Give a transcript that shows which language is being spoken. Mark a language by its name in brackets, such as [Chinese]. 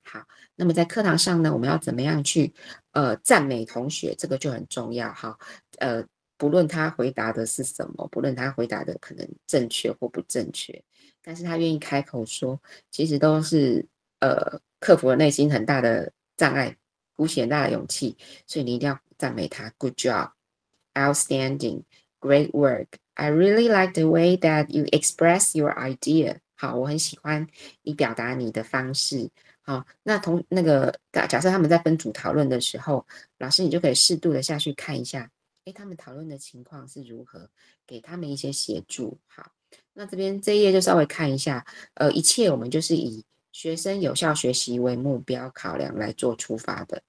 [Chinese] 好，那么在课堂上呢，我们要怎么样去赞美同学，这个就很重要。好，不论他回答的是什么，不论他回答的可能正确或不正确，但是他愿意开口说，其实都是克服了内心很大的障碍，鼓起很大的勇气，所以你一定要赞美他。 [English] Good job, outstanding, great work, I really like the way that you express your idea. [Chinese] 好，我很喜欢你表达你的方式。好，假设他们在分组讨论的时候，老师你就可以适度的下去看一下，欸，他们讨论的情况是如何，给他们一些协助。好，那这边这一页就稍微看一下，一切我们就是以学生有效学习为目标考量来做出发的。